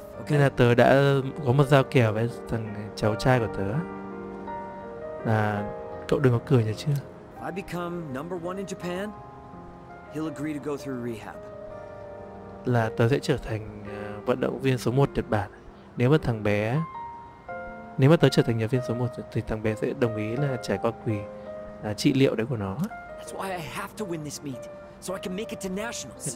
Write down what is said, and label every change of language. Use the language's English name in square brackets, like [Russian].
[Vietnamese] Nên là tớ đã có một giao kèo với thằng cháu trai của tớ là cậu đừng có cười nhỉ chưa. [English] I become number one in Japan, he'll agree to go through rehab. [Vietnamese] Là tớ sẽ trở thành vận động viên số 1 Nhật Bản. Nếu mà thằng bé, nếu mà tớ trở thành nhà viên số 1 thì thằng bé sẽ đồng ý là trải qua quỳ trị liệu đấy của nó. [English] That's why I have to win this meet, so I can make it to nationals.